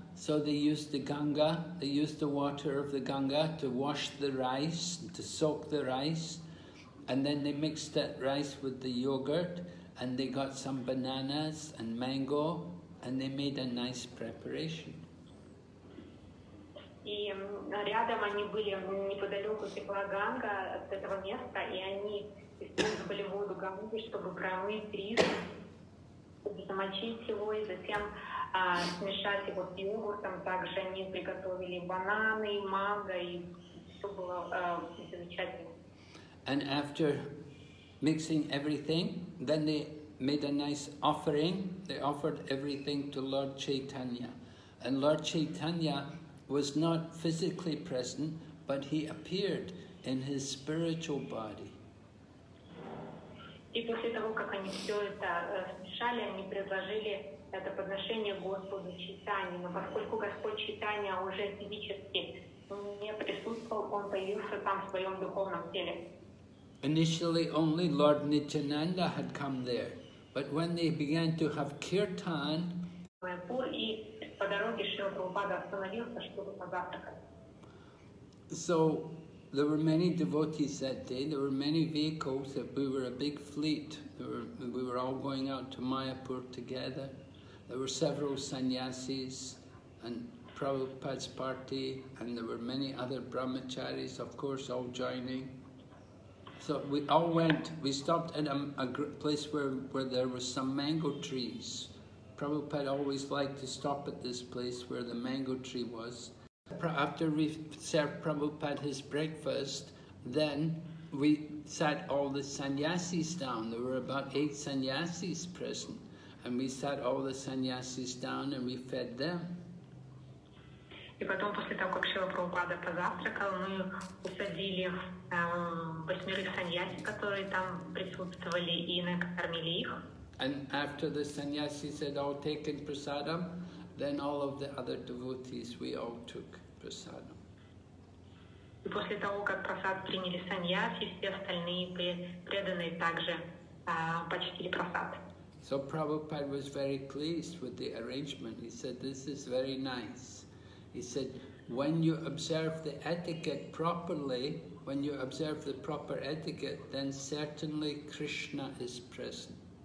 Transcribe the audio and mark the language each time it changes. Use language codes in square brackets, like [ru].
[en] So they used the Ganga, they used the water of the Ganga to wash the rice, to soak the rice, and then they mixed that rice with the yogurt, and they got some bananas and mango, and they made a nice preparation. [ru] И рядом они были неподалеку текла Ганга от этого места, и они использовали воду Ганги, чтобы промыть рис, чтобы замочить его, и затем смешать его с йогуртом, также они приготовили бананы, манго, и все было замечательно. [en] And after mixing everything, then they made a nice offering. They offered everything to Lord Chaitanya. And Lord Chaitanya was not physically present, but he appeared in his spiritual body. [ru] И после того, как они все это смешали, они предложили это подношение Господу Чайтанье, но поскольку Господь Чайтанья уже физически не присутствовал, он появился там в своем духовном теле. [en] Initially only Lord Nityananda had come there, but when they began to have kirtan, [ru] и по дороге Шрила Прабхупада остановился, чтобы позавтракать. [en] So there were many devotees that day, there were many vehicles, that we were a big fleet, we were all going out to Mayapur together. There were several sannyasis and Prabhupada's party, and there were many other brahmacharis, of course, all joining. So we all went, we stopped at a place where there were some mango trees. Prabhupada always liked to stop at this place where the mango tree was. After we served Prabhupada his breakfast, then we sat all the sannyasis down. There were about 8 sannyasis present. And we sat all the sannyasis down and we fed them. [ru] И потом, после того, как Шрила Прабхупада позавтракал, мы усадили восьмерых саньяси, которые там присутствовали, и накормили их. [en] And after the sannyasis had all taken prasadam, then all of the other devotees, we all took prasadam. [ru] И после того, как прасад приняли саньяси, все остальные преданные также почтили прасад. [en] So Prabhupada was very pleased with the arrangement. He said, this is very nice. He said, when you observe the etiquette properly, when you observe the proper etiquette, then certainly Krishna is present.